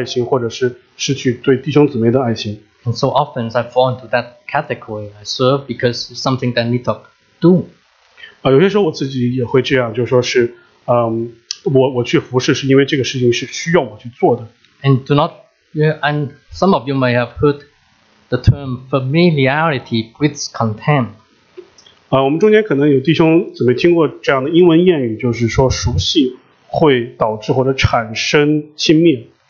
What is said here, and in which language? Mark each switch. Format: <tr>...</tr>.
<zh>当我们自己在服事的时候，有时候我们也会失去这种对神的爱心，或者是失去对弟兄姊妹的爱心。</zh> <en>And so often as I fall into that category, I serve because it's something that I need to do.</en> <zh>有些时候我自己也会这样，就是说是，我去服事是因为这个事情是需要我去做的。</zh> <en>And do not, and some of you may have heard the term familiarity breeds contempt.</en> <zh>我们中间可能有弟兄姊妹听过这样的英文谚语，就是说熟悉会导致或者产生轻蔑。</zh>